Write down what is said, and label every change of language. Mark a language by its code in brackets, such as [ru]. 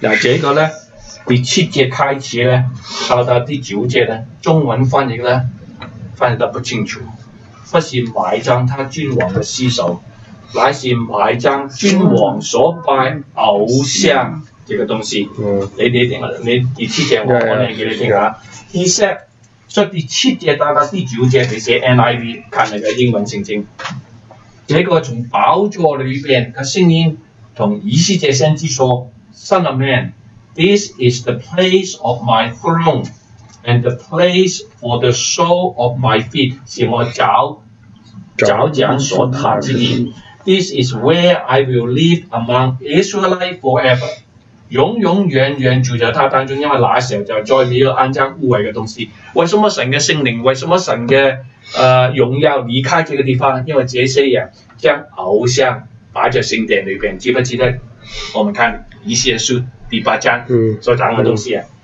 [zh] 那这个呢，第七节开始呢，到第九节呢，中文翻译呢，翻译得不清楚，不是埋葬他君王的尸首，乃是埋葬君王所拜偶像这个东西。你第七节我念给你听啊。 [en] He said， [zh] 说第七节到达第九节，你写 NIV 看那个英文圣经。这个从宝座里边的声音，从以西结先知说 [en] ：“Son of man， this is the place of my throne， and the place for the sole of my feet， [zh] 是我脚掌所踏之地。 [en] This is where I will live among Israelite forever。” [zh] 永永远远住在他当中，因为那时候就再没有肮脏污秽的东西。为什么神的圣灵，为什么神的荣耀离开这个地方？因为这些人将偶像摆在圣殿里边，记不记得？我们看以西结书第八章所讲的东西啊。